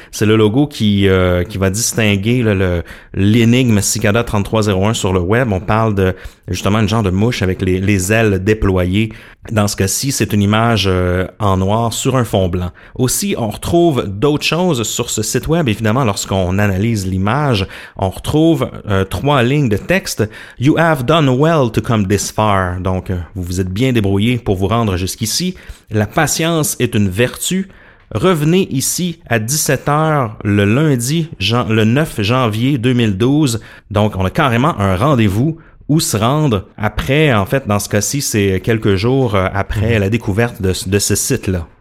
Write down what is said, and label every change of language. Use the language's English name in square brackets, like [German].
[French] C'est le logo qui va distinguer l'énigme Cicada 3301 sur le web. On parle de justement une genre de mouche avec les ailes déployées. Dans ce cas-ci, c'est une image en noir sur un fond blanc. Aussi, on retrouve d'autres choses sur ce site web. Évidemment, lorsqu'on analyse l'image, on retrouve 3 lignes de texte. [English] You have done well to come this far. [French] Donc, vous vous êtes bien débrouillé pour vous rendre jusqu'ici. La patience est une vertu. Revenez ici à 17h le lundi, le 9 janvier 2012. Donc, on a carrément un rendez-vous. Où se rendre après, en fait, dans ce cas-ci, c'est quelques jours après la découverte de ce site-là.